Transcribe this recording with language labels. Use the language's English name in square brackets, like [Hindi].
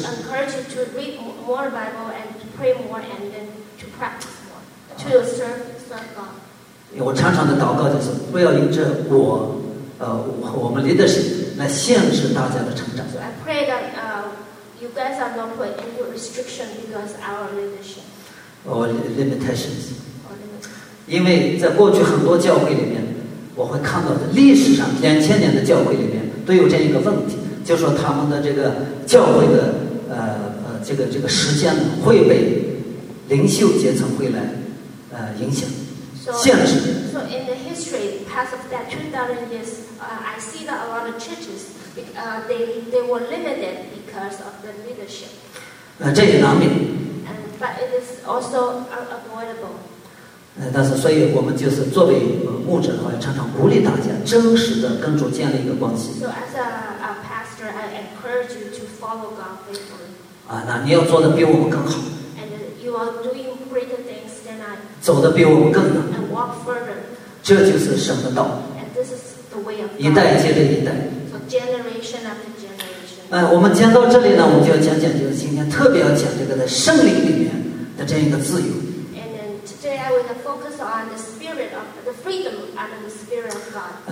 [English] So、encourage you to read more Bible and pray more, and then to practice more, to serve God. [Chinese] 我常常的祷告就是不要因着我们离的神来限制大家的成长。 [English] So I pray that you guys are not put into restriction because our leadership. Or limitations. [Chinese] 因为在过去很多教会里面，我会看到的历史上2000年的教会里面都有这样一个问题，就是说他们的这个教会的这个时间会被领袖阶层会来影响限制。 [English] So in the history past of that 2000 years, I see that a lot of churches they were limited because of the leadership. [Chinese] 这也难免。 [English] But it is also unavoidable. [Chinese] 但是所以我们就是作为牧者的话，常常鼓励大家真实的跟主建立一个关系。 [English] So as a pastor, I encourage you to follow God faithfully. [Chinese] 那你要做的比我们更好。 [English] And you are doing greater things than I. [Chinese] 走的比我们更远。 [English] And walk further. [Chinese] 这就是神的道。 [English] And this is the way of God. [Chinese] 一代接着一代。 [English] So generation after generation. [Chinese] 我们讲到这里呢，我们就要讲讲，就是今天特别要讲这个在圣灵里面的这样一个自由。 [English] Today I will focus on the spirit of the freedom and the spirit of God.